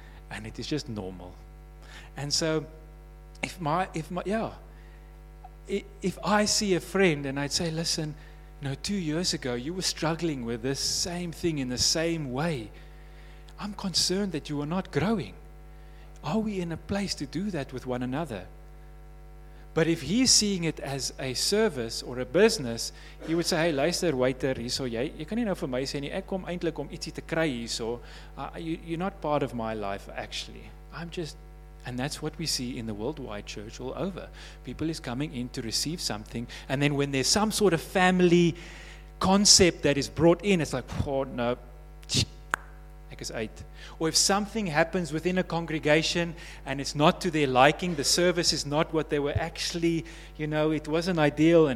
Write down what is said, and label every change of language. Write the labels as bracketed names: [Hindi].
[English] And it is just normal. And so, if I see a friend and I'd say, "Listen, you know, 2 years ago you were struggling with this same thing in the same way. I'm concerned that you are not growing. Are we in a place to do that with one another?" But if he's seeing it as a service or a business, he would say, "Hey, luister, waiter, [Afrikaans] hierso jy. Jy kan nie nou vir my sê nie, ek kom eintlik om ietsie te kry hierso. [English] You're not part of my life, actually. I'm just..." And that's what we see in the worldwide church all over. People is coming in to receive something. And then when there's some sort of family concept that is brought in, it's like, "Oh, no, heck is eight." Or if something happens within a congregation and it's not to their liking, the service is not what they were actually, you know, it wasn't ideal.